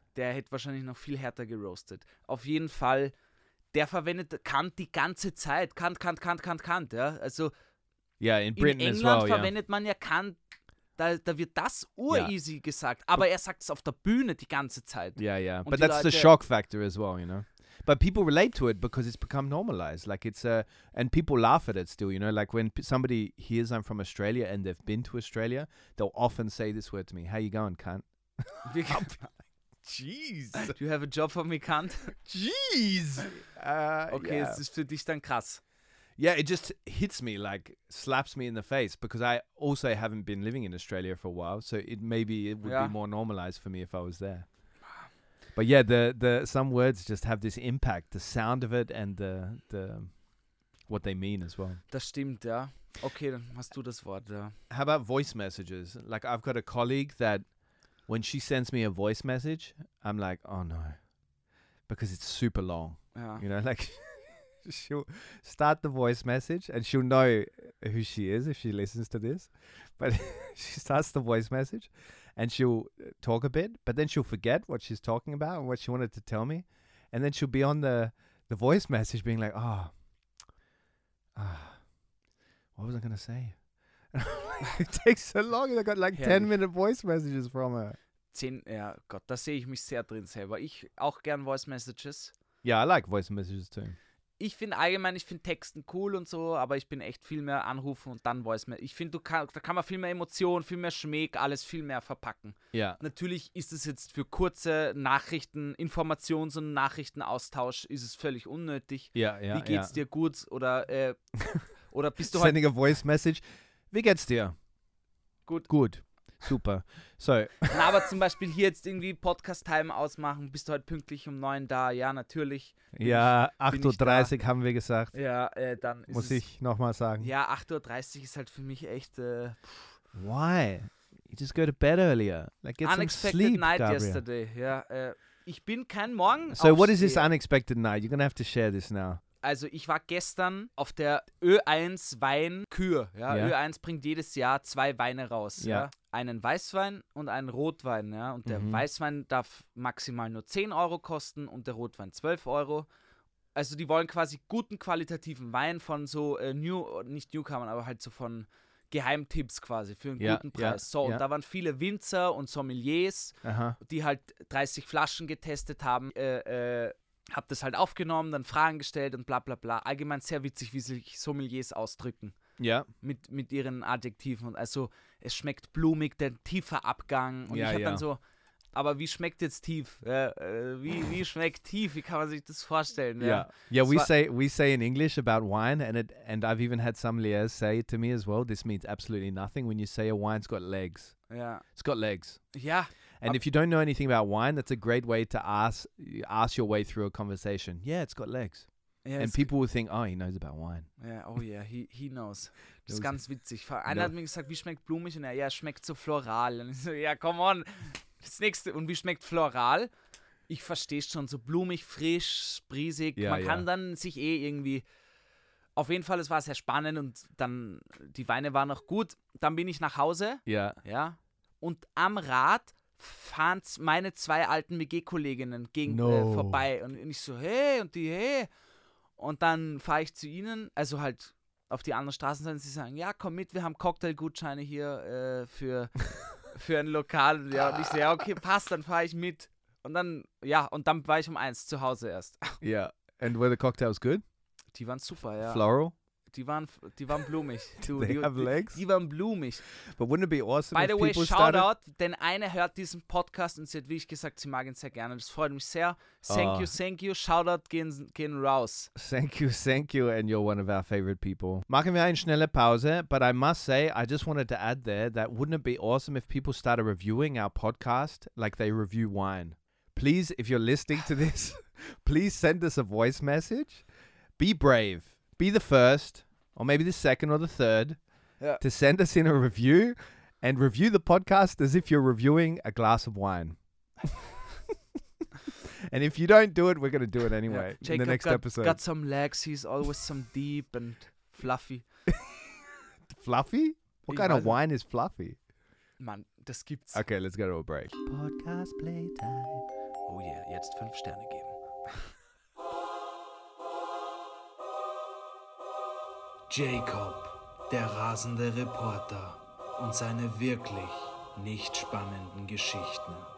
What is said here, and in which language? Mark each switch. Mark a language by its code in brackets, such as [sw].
[de] Der hätte wahrscheinlich noch viel härter geroastet. Auf jeden Fall, der verwendet Kant die ganze Zeit. Kant, ja. Also... Ja, in Britain [en] as well, [de] verwendet man ja Kant, da wird das ur-easy gesagt, aber er sagt es auf der Bühne die ganze Zeit. [en] Ja, ja, but that's the shock factor as well, you know. But people relate to it because it's become normalized. Like it's and people laugh at it still, you know. Like when somebody hears I'm from Australia and they've been to Australia, they'll often say this word to me. How you going, Kant? Jeez. Do you have a job for me, Kant? Jeez. [de] Okay, es ist für dich dann krass. [en] Yeah, it just hits me, like, slaps me in the face, because I also haven't been living in Australia for a while, so it would be more normalized for me if I was there. But yeah, the some words just have this impact, the sound of it and the what they mean as well. [de] Das stimmt, ja. Okay, dann hast du das Wort, ja. [en] How about voice messages? Like, I've got a colleague that, when she sends me a voice message, I'm like, oh no, because it's super long, you know, like... She'll start the voice message and she'll know who she is if she listens to this. But she starts the voice message and she'll talk a bit, but then she'll forget what she's talking about and what she wanted to tell me. And then she'll be on the voice message being like, what was I going to say? It takes so long. I got like 10-minute voice messages from her. [de] Ja, Gott, da sehe ich mich sehr drin selber. Ich auch gern voice messages. [en] Yeah, I like voice messages too. [de] Ich finde allgemein, ich finde Texten cool und so, aber ich bin echt viel mehr anrufen und dann Voice Messages. Ich finde, da kann man viel mehr Emotionen, viel mehr Schmäck, alles viel mehr verpacken. Ja. Natürlich ist es jetzt für kurze Nachrichten, Informations- und Nachrichtenaustausch, ist es völlig unnötig. Ja, ja. Wie geht's dir gut? Oder oder bist du heute... [en] Sending a Voice Message. [de] Wie geht's dir? Gut. Gut. Super. Sorry. Na, aber zum Beispiel hier jetzt irgendwie Podcast-Time ausmachen. Bist du heute pünktlich um 9 da? Ja, natürlich. Ja, 8:30 Uhr haben wir gesagt. Ja, dann ist muss ich nochmal sagen. Ja, 8:30 Uhr ist halt für mich echt... [en] Why? You just go to bed earlier. Like, get unexpected some sleep, night Gabriel. Yesterday. [de] Ja, ich bin kein Morgen. [en] So what is this unexpected night? You're gonna have to share this now. [de] Also ich war gestern auf der Ö1 Weinkür. Ja? Ja. Ö1 bringt jedes Jahr 2 Weine raus. Ja. Ja? Einen Weißwein und einen Rotwein. Ja? Und der Weißwein darf maximal nur 10 Euro kosten und der Rotwein 12 Euro. Also die wollen quasi guten qualitativen Wein von so Newcomern, aber halt so von Geheimtipps quasi für einen guten Preis. Ja, so, und da waren viele Winzer und Sommeliers, die halt 30 Flaschen getestet haben, hab das halt aufgenommen, dann Fragen gestellt und bla bla bla. Allgemein sehr witzig, wie sich Sommeliers ausdrücken. Ja. Mit ihren Adjektiven. Und also es schmeckt blumig, der tiefe Abgang. Und ja, ich hab dann so, aber wie schmeckt jetzt tief? Wie schmeckt tief? Wie kann man sich das vorstellen? Ja. [en] Yeah, we say in English about wine, and I've even had some liers say to me as well, this means absolutely nothing when you say a wine's got legs. Yeah. It's got legs. Yeah. And if you don't know anything about wine, that's a great way to ask your way through a conversation. Yeah, it's got legs. Yeah, and people will think, oh, he knows about wine. Yeah, oh yeah, he knows. [de] Das ist ganz witzig. Einer hat mir gesagt, wie schmeckt blumig? Und er schmeckt so floral. Und ich so, [en] yeah, come on. [de] Das nächste, und wie schmeckt floral? Ich verstehe schon, so blumig, frisch, sprießig. Ja, man kann dann sich eh irgendwie, auf jeden Fall, es war sehr spannend und dann, die Weine waren noch gut. Dann bin ich nach Hause. Ja. Ja. Und am Rad fahren meine zwei alten WG-Kolleginnen vorbei. Und ich so, hey, und die, hey. Und dann fahre ich zu ihnen, also halt auf die anderen Straßenseite, und sie sagen, ja, komm mit, wir haben Cocktailgutscheine hier für ein Lokal. Ja, und ich so, ja, okay, passt, dann fahre ich mit. Und dann, ja, und dann war ich um 1 zu Hause erst. Ja, yeah. [en] And were the cocktails good? [de] Die waren super, ja. [en] Floral? [de] Die waren blumig. [en] Do they have legs? [de] Die waren blumig. [en] But wouldn't it be awesome by if way, people shout started? [de] Out, denn eine hört diesen Podcast und sie hat, wie ich gesagt, sie mag ihn sehr gerne. Das freut mich sehr. [en] Thank you, shout out, [de] gehen raus. [en] Thank you, and you're one of our favorite people. [de] Machen wir eine schnelle Pause, [en] but I must say, I just wanted to add there that wouldn't it be awesome if people started reviewing our podcast like they review wine? Please, if you're listening to this, please send us a voice message. Be brave. Be the first, or maybe the second or the third, to send us in a review and review the podcast as if you're reviewing a glass of wine. And if you don't do it, we're going to do it anyway in the next episode. Jacob got some legs. He's always some deep and fluffy. Fluffy? What kind of wine is fluffy? [de] Man, das gibt's. [en] Okay, let's go to a break. Podcast playtime. Oh yeah, [de] jetzt 5 Sterne geben. Jacob, der rasende Reporter und seine wirklich nicht spannenden Geschichten.